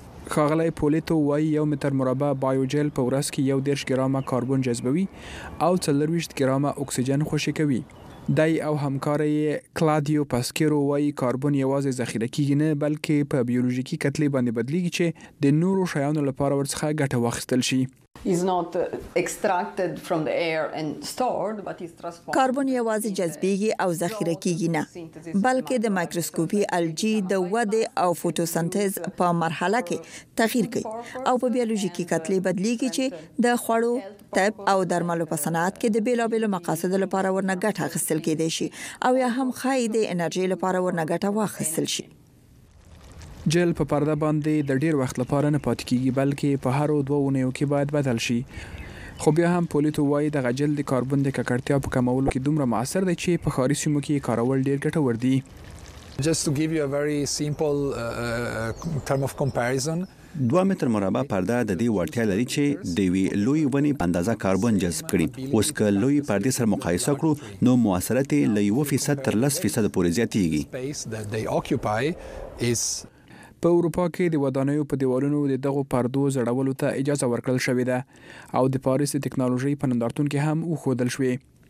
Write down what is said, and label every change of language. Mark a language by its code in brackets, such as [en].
[ps] خاغلی پولیتو وایي یو متر مربع بایوجل په ورځ کې 1.5 ګرامه کاربن جذبوي او 24 ګرامه اکسیجن خوشې کوي. دای او همکاره یې کلادیو پاسکیرو وایي کاربن یوازې ذخیره کیږي نه، بلکې په بیولوژیکي کتلې باندې بدلیږي چې د نورو شیانو لپاره ورڅخه ګټه واخیستل شي. [en] is not extracted from the air and stored but is transformed. [ps] کاربن یوازې جذبیږي او ذخیره کیږي نه، بلکې د مایکروسکوپي الجی د وده او فوتوسنتیز په مرحله کې تغییر کوي او په بیولوژیکي کتلې بدلیږي چې د خوړو، طب او درملو په صنعت کې د بیلابیلو مقاصد لپاره ورنه ګټه اخیستل کیدی شي او یا هم ښایي د انرژي لپاره ورنه ګټه واخیستل شي. جل په پرده باندې د ډیر وخت لپاره نه پاتې کیږي، بلکې په هرو دوه اونیو کې باید بدل شي. خو بیا هم پولیتو وایي دغه جل د کاربن د ککړتیا په کمولو کې دومره مؤثر دی چې په ښاري سیمو کې یې کارول ډیر ګټور دي. [en] Just to give you a very simple term of comparison. [ps] دوه متر مربع پرده د دې وړتیا لري چې د وی لوی ونې په اندازه کاربن جذب کړي. اوس که لوی پرده سره مقایسه کړو نو مؤثرت یې له 1% تر 10% پورې زیاتیږي. په اروپا کې د ودانیو په دیوالونو د دغو پردو زړولو ته اجازه ورکړل شوې ده او د پاریس ټکنالوژۍ په نندارتون کې هم وښودل شوې.